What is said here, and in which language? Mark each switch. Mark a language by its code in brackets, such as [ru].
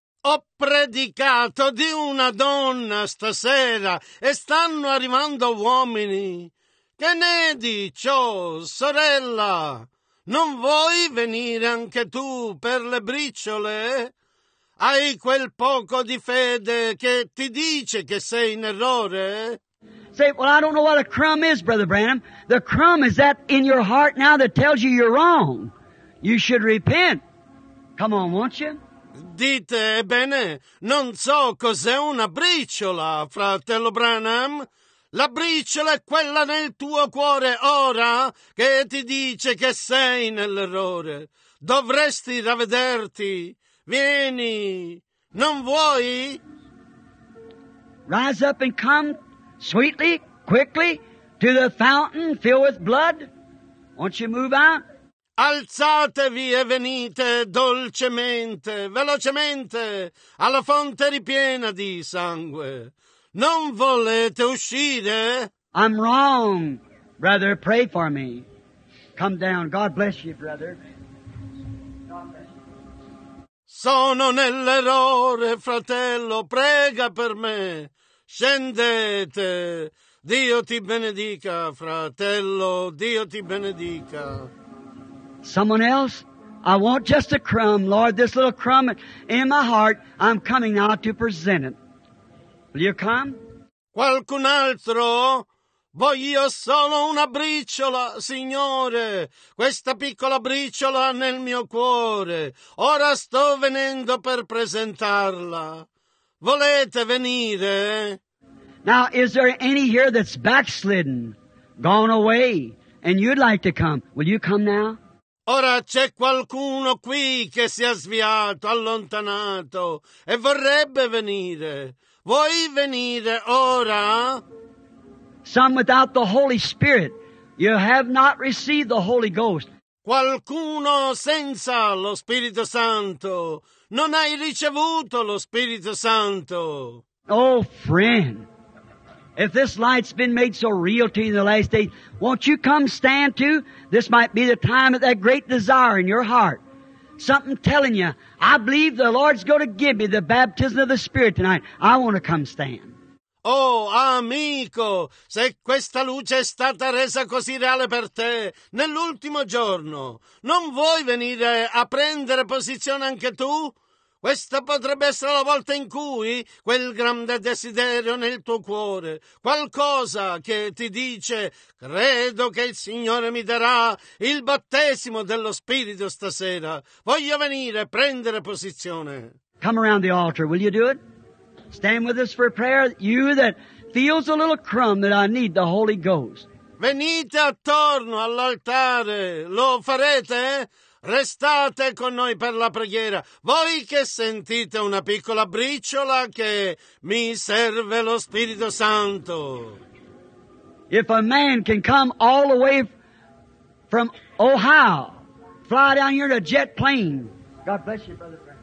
[it] Ho predicato di una donna stasera e stanno arrivando uomini. Che ne dici, sorella? Non vuoi venire anche tu per le briciole? Hai quel poco di fede che ti dice che sei in errore? [en] Say, well, I don't know what a crumb is, Brother Branham. The crumb is that in your heart now that tells you you're wrong. You should repent. Come on, won't you? [it] Dite, ebbene, non so cos'è una briciola, fratello Branham. La briciola è quella nel tuo cuore ora che ti dice che sei nell'errore. Dovresti ravvederti. Vieni. Non vuoi? [en] Rise up and come sweetly, quickly, to the fountain filled with blood. Won't you move out? [it] Alzatevi e venite dolcemente, velocemente, alla fonte ripiena di sangue. Non volete uscire? [en] I'm wrong, brother. Pray for me. Come down. God bless you, brother. God bless you. [it] Sono nell'errore, fratello. Prega per me. Scendete. Dio ti benedica, fratello. Dio ti benedica. [en] Someone else? I want just a crumb, Lord, this little crumb in my heart. I'm coming now to present it. Will you come? [it] Qualcun altro? Voglio solo una briciola, Signore. Questa piccola briciola nel mio cuore. Ora sto venendo per presentarla. Volete venire? [en] Now, is there any here that's backslidden, gone away, and you'd like to come? Will you come now? [it] Ora c'è qualcuno qui che si è sviato, allontanato, e vorrebbe venire. Vuoi venire ora? [en] Some without the Holy Spirit. You have not received the Holy Ghost. [it] Qualcuno senza lo Spirito Santo. Non hai ricevuto lo Spirito Santo. [en] Oh, friend. If this light's been made so real to you in the last days, won't you come stand too? This might be the time of that great desire in your heart. Something telling you, I believe the Lord's going to give me the baptism of the Spirit tonight. I want to come stand. [it] Oh, amico, se questa luce è stata resa così reale per te nell'ultimo giorno, non vuoi venire a prendere posizione anche tu? Questa potrebbe essere la volta in cui quel grande desiderio nel tuo cuore, qualcosa che ti dice: credo che il Signore mi darà il battesimo dello Spirito stasera. Voglio venire a prendere posizione. [en] Come around the altar, will you do it? Stand with us for prayer, you that feels a little crumb that I need the Holy Ghost. [it] Venite attorno all'altare, lo farete? Restate con noi per la preghiera. Voi che sentite una piccola briciola che mi serve lo Spirito Santo. [en] If a man can come all the way from Ohio, fly down here in a jet plane. God bless you, brother.